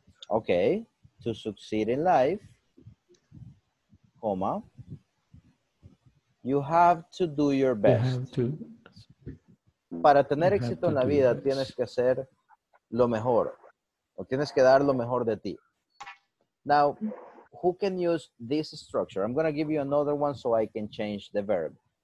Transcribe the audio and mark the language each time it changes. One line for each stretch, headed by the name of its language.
English: Okay, to succeed in life, comma, you have to do your best.
Spanish: Para tener éxito en la vida, tienes que hacer lo mejor. O tienes que dar lo mejor de ti.
English: Now, who can use this structure? I'm going to give you another one so I can change the verb.